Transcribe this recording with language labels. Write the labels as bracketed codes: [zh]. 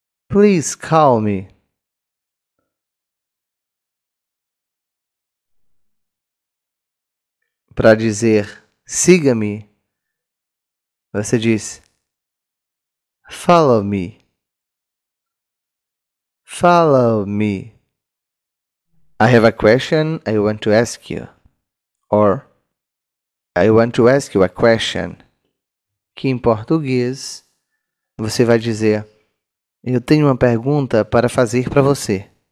[en] Please call me. [pt] Para dizer siga-me, você diz [en] follow me. Follow me. I have a question I want to ask you. Or I want to ask you a question. [pt] Que em português você vai dizer eu tenho uma pergunta para fazer para você.